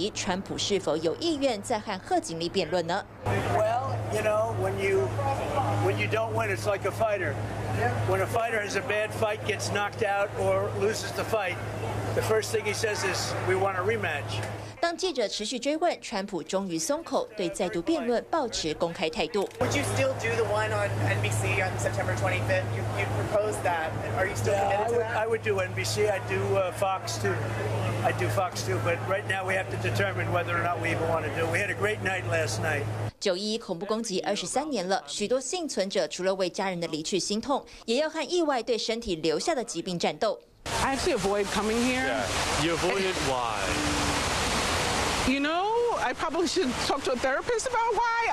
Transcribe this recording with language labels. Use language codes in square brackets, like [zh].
[zh] 川普随后也来到93号航班纪念馆献花，刻意与拜登、贺锦丽一前一后抵达，双方没有再碰面。他还与副手范斯来到纽约消防局，对这些救难英雄致上敬意。不过，媒体还是很好奇，川普是否有意愿再和贺锦丽辩论呢？ [en] Well, you know, when you don't win, it's like a fighter. When a fighter has a bad fight, gets knocked out or loses the fight, the first thing he says is, "We want a rematch." [zh] 当记者持续追问，川普终于松口，对再度辩论保持公开态度。 [en] Would you still do the one on NBC on September 25th? You proposed that. Are you still committed to that? I would do NBC. I'd do Fox too. I'd do Fox too. But right now we have to determine whether or not we even want to do. We had a great night last night. [zh] 九一一恐怖攻击23年了，许多幸存者除了为家人的离去心痛，也要和意外对身体留下的疾病战斗。 [en] I actually avoid coming here. Yeah. You avoided why? You know, I probably should talk to a therapist about why.